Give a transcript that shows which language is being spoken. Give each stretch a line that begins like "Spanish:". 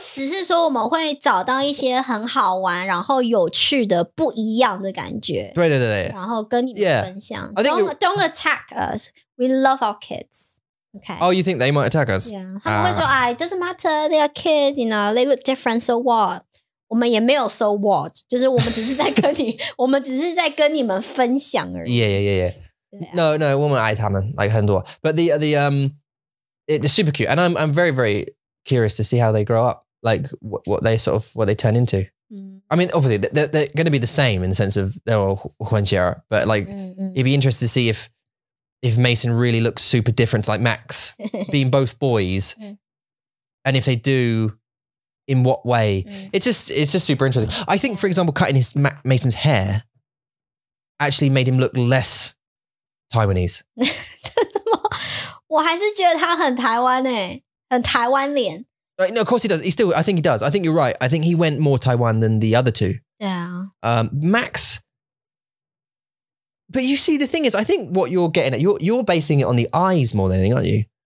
Chinese: 只是说我们会找到一些很好玩然后有趣的不一样的感觉对对对对然后跟你们分享、
English: yeah. don't attack us We love our kids、okay? Oh, you think they might attack us? Yeah,
Chinese: 他们会说、
English: It doesn't matter, they are kids You know, they look different, so what?
Chinese: 我们也没有
English: so what
Chinese: 就是我们只是在跟你我们只是在跟你们分享而已
English: yeah yeah yeah yeah、啊、 no
Chinese: 我们爱他们
English: like
Chinese: 很多
English: but the it's super cute and I'm very very curious to see how they grow up like what they turn into、mm. I mean obviously they're going to be the same in the sense of they're all huanxia but like、mm-hmm. it'd be interesting to see if Mason really looks super different like Max being both boys、mm. and if they dodo in what way?、Mm. It's just super interesting. I think, for example, cutting his Mason's hair actually made him look less Taiwanese.
Chinese: 真的吗？我还是觉得他很台湾诶，很台湾脸。
English: No, of course he does. He still, I think he does. I think you're right. I think he went more Taiwan than the other two. Yeah. Max, but you see, the thing is, I think what you're getting at, you're basing it on the eyes more than anything, aren't you?